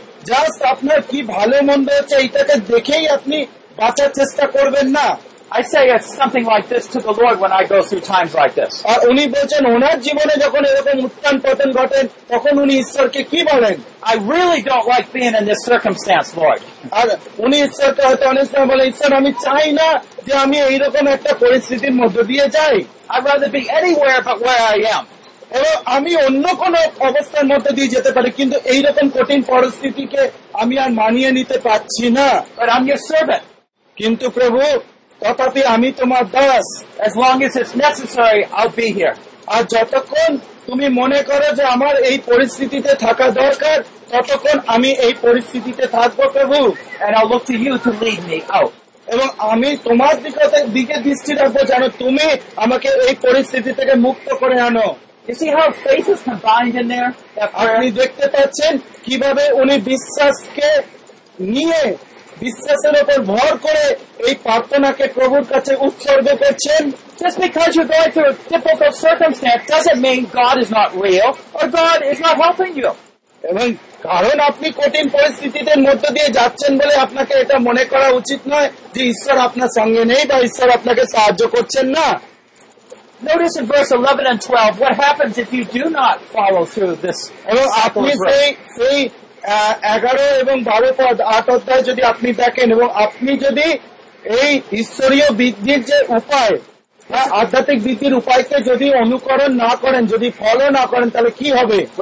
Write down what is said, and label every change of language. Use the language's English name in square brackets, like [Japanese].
[Bangla] Just আপনার কি ভালো মন্দ হচ্ছে এইটাকে দেখেই আপনি বাঁচার চেষ্টা করবেন না. [English] I say it's something like this to the Lord when I go through times like this. [Bangla] আর উনি বলেন ওনার জীবনে যখন এরকম উত্থান পতন ঘটে তখন উনি ঈশ্বরকে কি বলেন? [English] I really don't like being in this circumstance, Lord. [Bangla] আর উনি ঈশ্বরকে হয়তো অনেক সময় বলেন, ঈশ্বর আমি চাই না যে আমি এইরকম একটা পরিস্থিতির মধ্যে দিয়ে যাই. [English] I'd rather be anywhere but where I am. [Bangla] এবং আমি অন্য কোন অবস্থার মধ্যে দিয়ে যেতে পারি, কিন্তু এইরকম কঠিন পরিস্থিতিকে আমি আর মানিয়ে নিতে পারছি না. [English] I'm your servant. [Bangla] কিন্তু প্রভু তথাপি আমি তোমার Das. [English] As long as it's necessary, I'll be here. [Bangla] আর যতক্ষণ তুমি মনে করো যে আমার এই পরিস্থিতিতে থাকা দরকার, ততক্ষণ আমি এই পরিস্থিতিতে থাকবো প্রভু. [English] And I'll look to you to lead me out. [Bangla] এবং আমি তোমার দিকে দৃষ্টি রাখবো যেন তুমি আমাকে এই পরিস্থিতি থেকে মুক্ত করে আনো. [English] You see how faith is combined in there? [Bangla] আপনি দেখতে পাচ্ছেন কিভাবে উনি বিশ্বাসকে নিয়ে বিশ্বাসের উপর ভর করে এই প্রার্থনাকে প্রভুর কাছে উৎসর্গ করছেন. [English] Just because you're going through a difficult circumstance doesn't mean God is not real or God is not helping you. [Bangla] এবং কারণ আপনি কঠিন পরিস্থিতিদের মধ্য দিয়ে যাচ্ছেন বলে আপনাকে এটা মনে করা উচিত নয় যে ঈশ্বর আপনার সঙ্গে নেই বা ঈশ্বর আপনাকে সাহায্য করছেন না. [English] Notice in verse 11 and 12 what happens if you do not follow through this. [Bangla] আপনি সেই 11 এবং 12 পদ 8 অধ্যায় যদি আপনি দেখেন এবং আপনি যদি এই ঈশ্বরীয় বৃদ্ধির যে উপায় আধ্যাত্মিক বৃদ্ধির উপায়কে যদি অনুকরণ না করেন, যদি ফলো না করেন, তাহলে কি হবে?